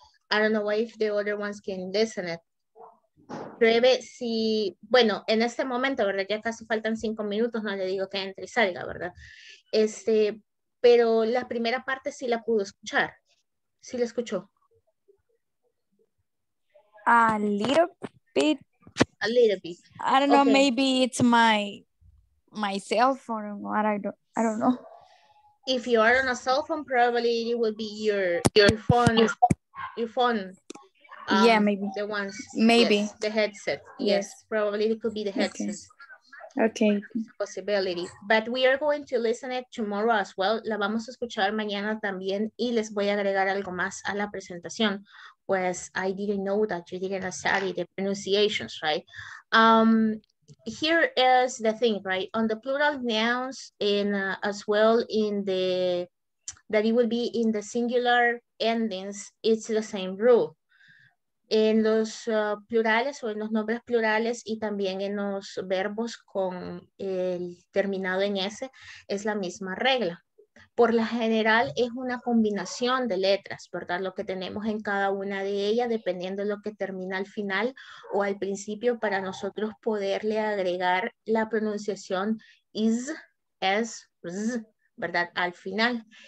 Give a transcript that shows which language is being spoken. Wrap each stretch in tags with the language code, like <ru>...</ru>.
<en>I don't know why if the other ones can listen it.</en> <es>Breve, si, bueno, en este momento, ¿verdad? Ya casi faltan 5 minutos, no le digo que entre y salga, ¿verdad? Este, pero la primera parte sí la pudo escuchar. ¿Sí la escuchó?</es> <en>A little bit. A little bit. I don't know, okay. Maybe it's my cell phone, or I don't know. If you are on a cell phone, probably it will be your phone. Your phone. Yeah, maybe. The ones. Maybe. Yes, the headset. Yes, probably it could be the headset. Okay. Possibility. But we are going to listen it tomorrow as well.</en> <es>La vamos a escuchar mañana también y les voy a agregar algo más a la presentación.</es> <en>Pues I didn't know that you didn't study the pronunciations, right? Here is the thing, right? On the plural nouns and as well in the, that it will be in the singular endings, it's the same rule.</en> <es>En los plurales o en los nombres plurales y también en los verbos con el terminado en S, es la misma regla. Por la general es una combinación de letras, ¿verdad? Lo que tenemos en cada una de ellas, dependiendo de lo que termina al final o al principio, para nosotros poderle agregar la pronunciación is, es, z, ¿verdad? Al final.</es>